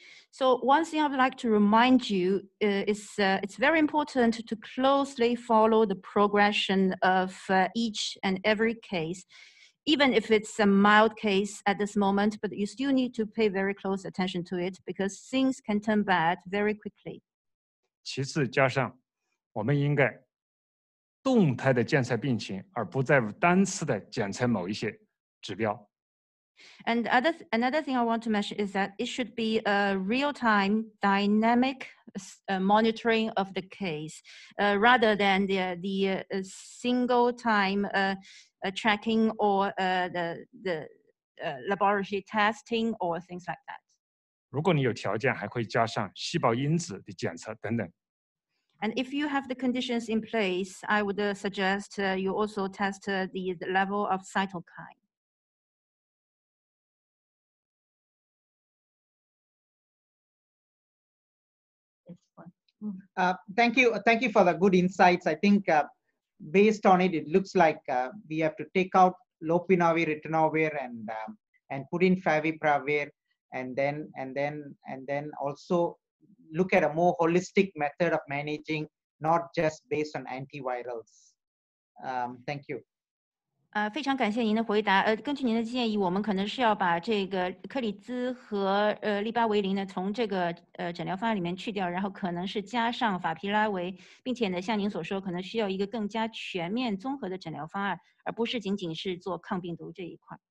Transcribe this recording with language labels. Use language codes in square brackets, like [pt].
[en] So one thing I'd like to remind you is it's very important to closely follow the progression of each and every case, even if it's a mild case at this moment, but you still need to pay very close attention to it because things can turn bad very quickly. [zh] 其次加上我们应该动态的检测病情而不再单次的检测某一些指标。 [en] And another thing I want to mention is that it should be a real-time dynamic monitoring of the case rather than the single-time tracking or the laboratory testing or things like that. [zh] 如果你有条件，还可以加上细胞因子的检测等等。 [en] And if you have the conditions in place, I would suggest you also test the level of cytokine. Thank you for the good insights. I think based on it looks like we have to take out lopinavir, ritonavir, and put in favipravir, and then also look at a more holistic method of managing, not just based on antivirals. Thank you. [zh] 非常感谢您的回答。根据您的建议，我们可能是要把这个克里兹和利巴维林呢从这个诊疗方案里面去掉，然后可能是加上法匹拉维，并且呢，像您所说，可能需要一个更加全面综合的诊疗方案，而不是仅仅是做抗病毒这一块。